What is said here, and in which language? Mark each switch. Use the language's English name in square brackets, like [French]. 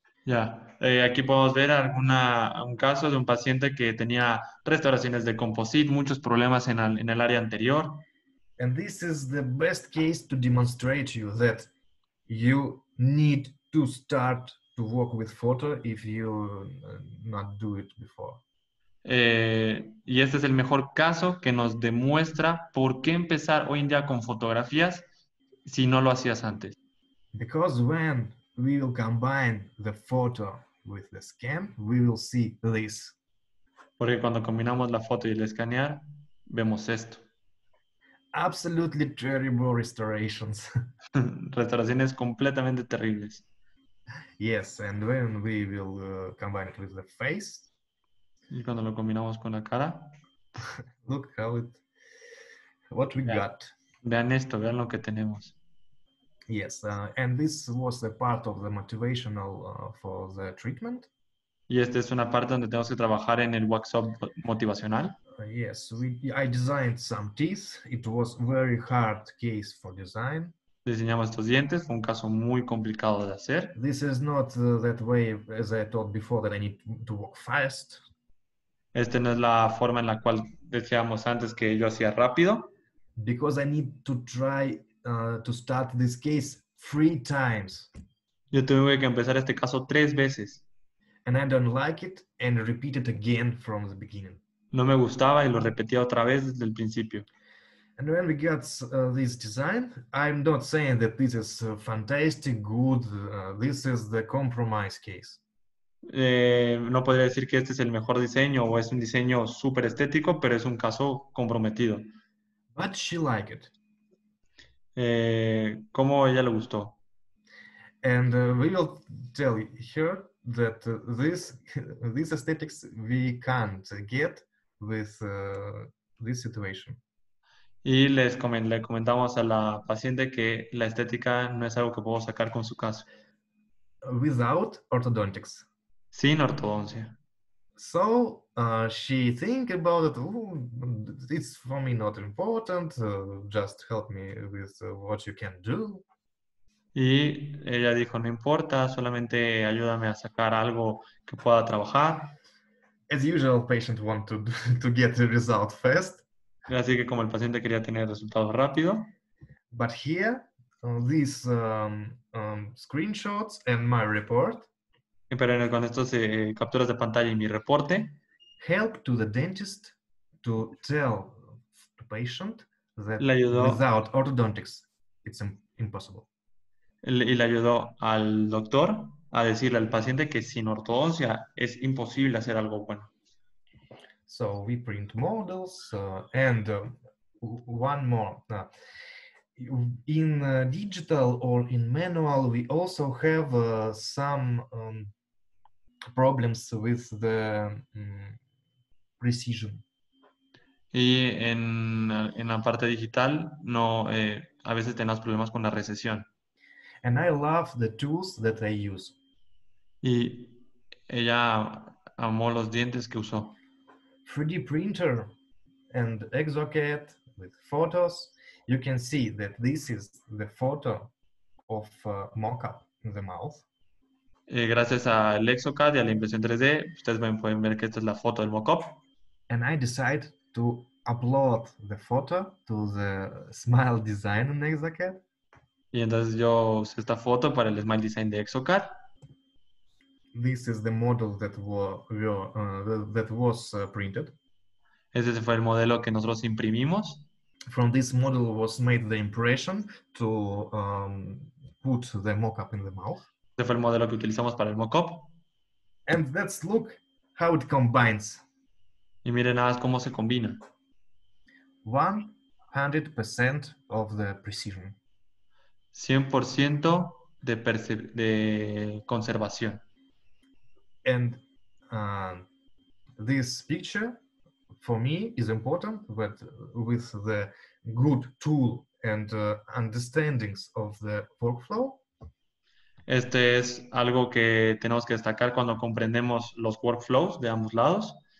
[Spanish] Ya, aquí podemos ver un caso de un paciente que tenía restauraciones de composite, muchos problemas en el área anterior. [English] And this is the best case to demonstrate to you that you need to start to work with photo if you not do it before. [Spanish] Y este es el mejor caso que nos demuestra por qué empezar hoy en día con fotografías si no lo hacías antes. [English] Because when we will combine the photo with the scan, we will see this. [Spanish] Porque cuando combinamos la foto y el escanear, vemos esto. [English] Absolutely terrible restorations. [Spanish] Restauraciones completamente terribles. [English] Yes, and when we will combine it with the face. [Spanish] Y cuando lo combinamos con la cara. [English] Look how it. What we got. [Spanish] Vean esto, vean lo que tenemos. [English] Yes, and this was a part of the motivational for the treatment. [Spanish] Y esta es una parte donde tenemos que trabajar en el workshop motivacional. [English] Yes, I designed some teeth. It was very hard case for design. [Spanish] Diseñamos estos dientes. Fue un caso muy complicado de hacer. [English] This is not that way, as I thought before, that I need to work fast. [Spanish] Esta no es la forma en la cual decíamos antes que yo hacía rápido. [English] Because I need to try to start this case 3 times. [Spanish] Yo tuve que empezar este caso 3 veces. [English] And I don't like it, and repeat it again from the beginning. No me gustaba y lo repetía otra vez desde el principio. And when we got this design, I'm not saying that this is fantastic, good. This is the compromise case. [Spanish] No podría decir que este es el mejor diseño o es un diseño súper estético, pero es un caso comprometido. [English] But she liked it. [Spanish] ¿Cómo a ella le gustó? [English] And we will tell her that this aesthetics we can't get with this situation. [Spanish] Y le comentamos a la paciente que la estética no es algo que puedo sacar con su caso. [English] Without orthodontics. [Spanish] Sin ortodoncia. [English] So she think about it. Ooh, it's for me not important. Just help me with what you can do. [Spanish] Y ella dijo, no importa, solamente ayúdame a sacar algo que pueda trabajar. [English] As usual, patient want to get the result fast. [Spanish] Así que como el paciente quería tener resultados rápido. [English] But here, these screenshots and my report. [Spanish] Pero con estas capturas de pantalla y mi reporte. [English] Help to the dentist to tell the patient that without orthodontics, it's impossible. [Spanish] Y le ayudó al doctor a decirle al paciente que sin ortodoncia es imposible hacer algo bueno. [English] So we print models and one more. In digital or in manual, we also have some problems with the precision. [Spanish] Y en la parte digital, no, a veces tenemos problemas con la recesión. [English] And I love the tools that I use. [Spanish] Y ella amó los dientes que usó. [English] 3D printer and ExoCAD with photos. You can see that this is the photo of mock-up in the mouth. [Spanish] Gracias a ExoCAD y a la impresión 3D, ustedes pueden ver que esta es la foto del mock-up. [English] And I decide to upload the photo to the smile design in Exocad. [Spanish] Y entonces yo uso esta foto para el smile design de Exocad. [English] This is the model that was printed. [Spanish] Ese fue el modelo que nosotros imprimimos. [English] From this model was made the impression to put the mock-up in the mouth. [Spanish] Ese fue el modelo que utilizamos para el mock-up. [English] And let's look how it combines. [Spanish] Y miren nada más cómo se combina. [English] 100% of the precision. [Spanish] 100% de conservación. [English] And this picture, for me, is important, but with the good tool and understandings of the workflow. [Spanish] Este es algo que tenemos que destacar cuando comprendemos los workflows de ambos lados.